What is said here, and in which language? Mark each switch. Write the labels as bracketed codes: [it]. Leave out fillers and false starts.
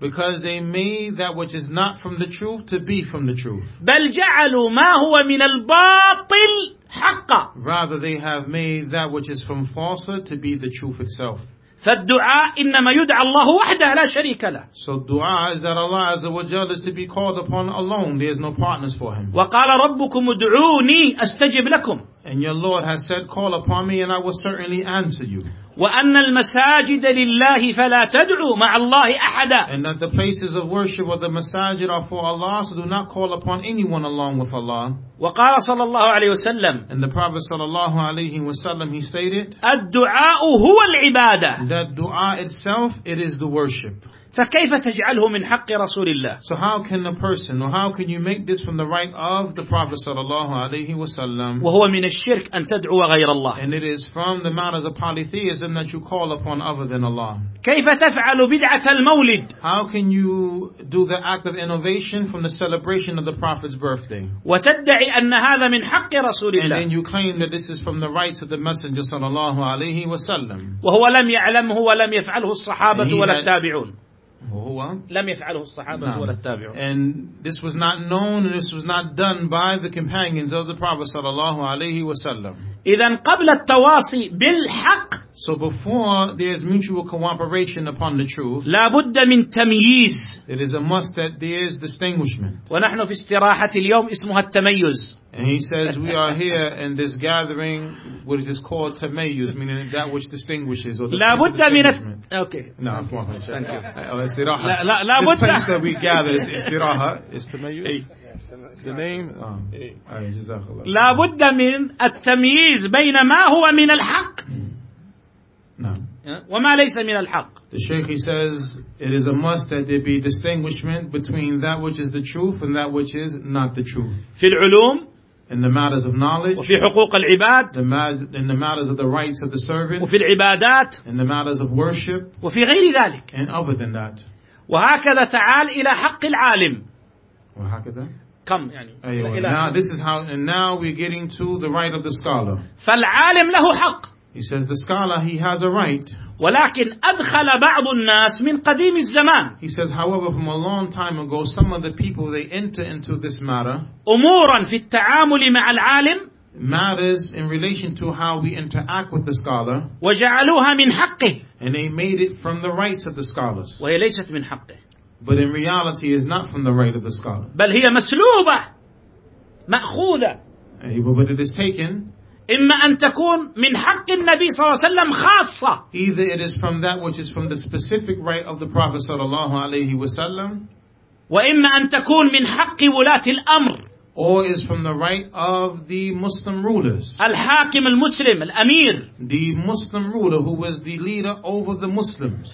[en] Because they made that which is not from the truth to be from the truth. [ar] بل جعلوا ما هو من الباطل حقا. [en] Rather they have made that which is from falsehood to be the truth itself. [ar] فالدعاء إنما يدعى الله وحده لا شريك له. [en] So dua is that Allah Azza wa Jal is to be called upon alone. There is no partners for Him. [ar] وقال ربكم ادعوني أستجب لكم. [en] And your Lord has said, call upon me and I will certainly answer you. [ar] وأن المساجد لله فلا تدعوا مع الله أحدا. [en] And that the places of worship or the masajid are for Allah, so do not call upon anyone along with Allah. [ar] وقال صلى الله عليه وسلم. [en] And the Prophet [ar] صلى الله عليه وسلم, [en] he stated, [ar] الدعاء هو العبادة. [en] That dua itself, it is the worship. [ar] فكيف تجعله من حق رسول الله؟ [en] So how can a person, or how can you make this from the right of the Prophet [ar] صلى الله عليه وسلم؟ وهو من الشرك أن تدعو غير الله. [en] And it is from the matters of polytheism that you call upon other than Allah. [ar] كيف تفعل بدعة المولد؟ [en] How can you do the act of innovation from the celebration of the Prophet's birthday؟ [ar] وتدعي أن هذا من حق رسول الله. [en] And then you claim that this is from the rights of the Messenger [ar] صلى الله عليه وسلم. وهو لم يعلمه ولم يفعله الصحابة ولا التابعون. وهو لم يفعله الصحابة ولا التابعون. [en] And this was not known and this was not done by the companions of the Prophet [ar] صلى الله عليه وسلم. إذن قبل التواصي بالحق. [en] So before there is mutual cooperation upon the truth. [ar] لابد من تمييز. [en] It is a must that there is distinguishment. [ar] ونحن في استراحة اليوم اسمها التميز. [en] And he says we are here in this gathering which is called تميز, meaning that which distinguishes or the [ar] لابد من [en] okay. No, thank you. [ar] استراحة. لابد. [en] This place that we gather is استراحة. Is تميز. Hey. The name. Oh. Hey. [ar] لابد من التمييز بين ما هو من الحق. وما ليس من الحق. [en] The Sheikh he says it is a must that there be distinguishment between that which is the truth and that which is not the truth. [ar] في العلوم. [en] In the matters of knowledge. [ar] وفي حقوق العباد. [en] In the matters of the rights of the servant. [ar] وفي العبادات. [en] In the matters of worship. [ar] وفي غير ذلك. [en] And other than that. [ar] وهكذا تعال إلى حق العالم. وهكذا. [en] Come. [ar] يعني. [en] Now this is how and now we're getting to the right of the scholar. [ar] فالعالم له حق. [en] He says the scholar he has a right. [ar] ولكن أدخل بعض الناس من قديم الزمان. [en] He says, however, from a long time ago, some of the people they enter into this matter. [ar] أمورا في التعامل مع العالم. [en] Matters in relation to how we interact with the scholar. [ar] وجعلوها من حقه. [en] And they made it from the rights of the scholars. [ar] وهي ليست من حقه. [en] But in reality, it is not from the right of the scholar. [ar] بل هي مسلوبة مأخوذة. [en] But it is taken. [ar] إما أن تكون من حق النبي صلى الله عليه وسلم خاصة. [en] Either it is from that which is from the specific right of the Prophet [ar] صلى الله عليه وسلم. وإما أن تكون من حق ولاة الأمر. [en] Or is from the right of the Muslim rulers. [ar] الحاكم المسلم الأمير. [en] The Muslim ruler who was the leader over the Muslims.